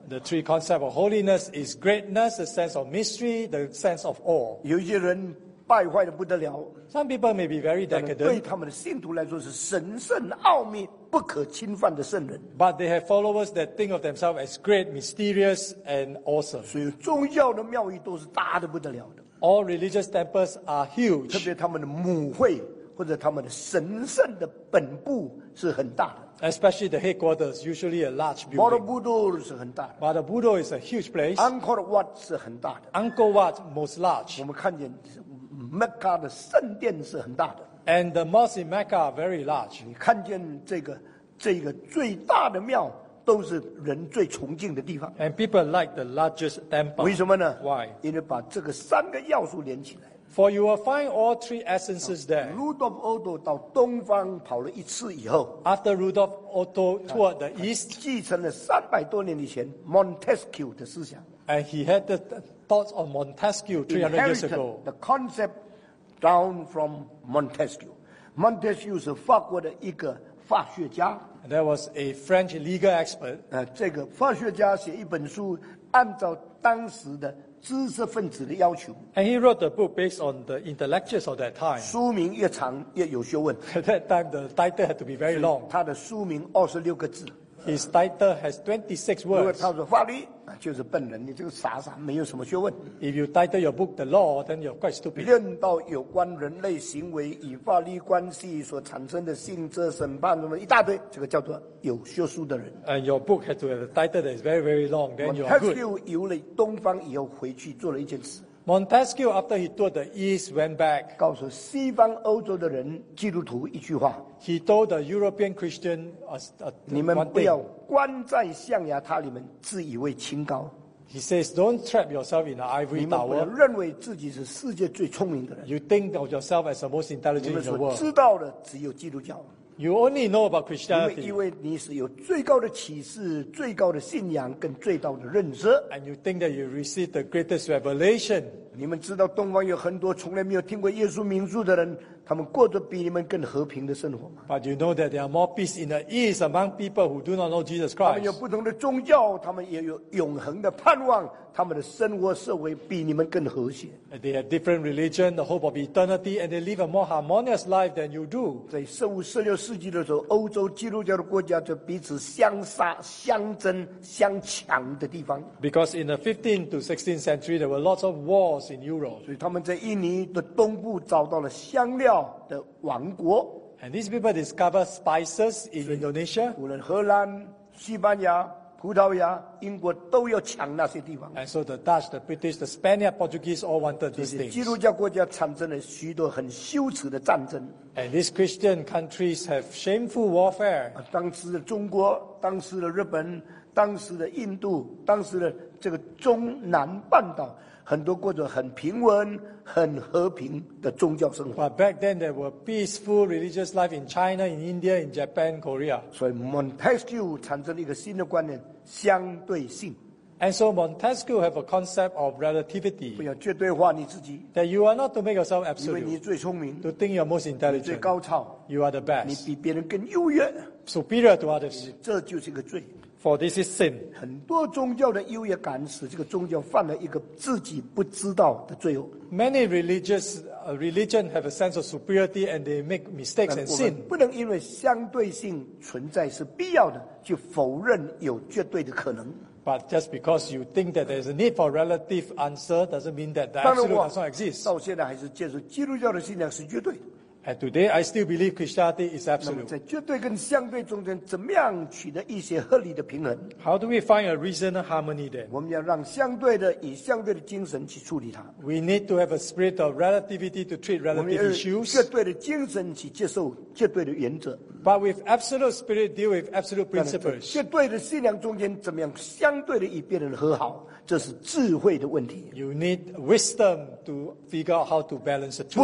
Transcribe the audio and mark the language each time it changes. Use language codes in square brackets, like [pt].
[en] The three concepts of holiness is greatness, the sense of mystery, the sense of awe。 [zh] 有些人败坏的不得了。 [en] Some people may be very decadent。 [zh] 对他们的信徒来说是神圣奥秘。不可侵犯的圣人。 [en] But they have followers that think of themselves as great, mysterious, and awesome. [zh] 所以宗教的庙宇都是大的不得了的。 [en] All religious temples are huge. [zh] 特别他们的母会或者他们的神圣的本部是很大的。 [en] Especially the headquarters, usually a large building. [zh] Borobudur 是很大的。 [en] Borobudur is a huge place. [zh] Angkor Wat 是很大的。 [en] Angkor Wat most large. [zh] 我们看见 Mecca 的圣殿是很大的。 [en] And the mosque in Mecca are very large. [zh] 你看见这个最大的庙都是人最崇敬的地方。 [en] And people like the largest temple. [zh] 为什么呢 [en] ？Why? [zh] 因为把这个三个要素连起来。 [en] For you will find all three essences there. [zh] Rudolf Otto 到东方跑了一次以后 [en] ，After Rudolf Otto toured the east, [zh] 继承了三百多年以前 Montesquieu 的思想。 [en] And he had the thoughts of Montesquieu 300 years ago. The concept. Down from Montesquieu. [zh] Montesquieu 是法国的一个法学家。 [en] There was a French legal expert. [zh] 这个法学家写一本书，按照当时的知识分子的要求。 [en] And he wrote the book based on the intellectuals of that time. [zh] 书名越长越有学问。 [en] At that time, the title had to be very long. [zh] 他的书名26个字。 [en] His title has 26 words. [zh] 如果他说法律，就是笨人，你这个傻傻，没有什么学问。 [en] If you title your book The Law, then you're quite stupid. [zh] 论到有关人类行为与法律关系所产生的性质、审判什么一大堆，这个叫做有学术的人。 [en] And your book has to have a title that is very, very long. Then you're good. [zh] Montesquieu 游了东方以后，回去做了一件事。 [en] Montesquieu, after he toured the East, went back. [zh] 告诉西方欧洲的人基督徒一句话。 [en] He told the European Christian, [zh] 你们不要关在象牙塔里面，自以为清高。 [en] He says, don't trap yourself in an ivory tower. [zh] 你们不要认为自己是世界最聪明的人。 [en] You think of yourself as the most intelligent in the world. [zh] 你们所知道的只有基督教。 [en] You only know about Christianity. [zh] 因为你是有最高的启示、最高的信仰跟最高的认知。 [en] And you think that you receive the greatest revelation. [zh] 你们知道东方有很多从来没有听过耶稣名字的人，他们过着比你们更和平的生活。 [en] But you know that there are more peace in the East among people who do not know Jesus Christ. [zh] 他们有不同的宗教，他们也有永恒的盼望，他们的生活社会比你们更和谐。 [en] And they have different religion, the hope of eternity, and they live a more harmonious life than you do. [zh] 在15、16世纪的时候，欧洲基督教的国家就彼此相杀、相争、相抢的地方。 [en] Because in the 15th to 16th century, there were lots of wars in Europe. [zh] 所以他们在印尼的东部找到了香料。的王国 [en] and these people discover spices in Indonesia. [zh] 无论荷兰、西班牙、葡萄牙、英国都要抢那些地方。 [en] And so the Dutch, the British, the Spaniard, Portuguese all wanted these things. [zh] 基督教国家产生了许多很羞耻的战争。 [en] And these Christian countries have shameful warfare. [zh] 当时的中国、当时的日本、当时的印度、当时的这个中南半岛。很多过着很平稳、很和平的宗教生活。 [en] But back then there were peaceful religious life in China, in India, in Japan, Korea. [zh] 所以 Montesquieu 产生了一个新的观念，相对性。 [en] And so Montesquieu have a concept of relativity. [zh] 不要绝对化你自己。 [en] That you are not to make yourself absolute. [zh] 因为你最聪明。 [en] To think you're most intelligent. [zh] 你最高超。 [en] You are the best. [zh] 你比别人更优越。 [en] Superior to others. [zh] 这就是一个罪。 [en] For this is sin. [zh] 很多宗教的优越感使这个宗教犯了一个自己不知道的罪恶。 [en] Many religion have a sense of superiority and they make mistakes and sin. [zh] 不能因为相对性存在是必要的，就否认有绝对的可能。 [en] But just because you think that there is a need for relative answer doesn't mean that the absolute does not exist. [zh] 到现在还是接受基督教的信仰是绝对的。 [en] And today, I still believe Christianity is absolute. [zh] 在绝对跟相对中间，怎么样取得一些合理的平衡 [en] ？How do we find a reasonable harmony then? [zh] 我们要让相对的以相对的精神去处理它。 [en] We need to have a spirit of relativity to treat relative issues. [zh] 绝对的精神去接受绝对的原则。 [en] But with absolute spirit, deal with absolute principles. [zh] 绝对的信仰中间，怎么样相对的与别人和好？这是智慧的问题。 [en] You need wisdom to figure out how to balance the two.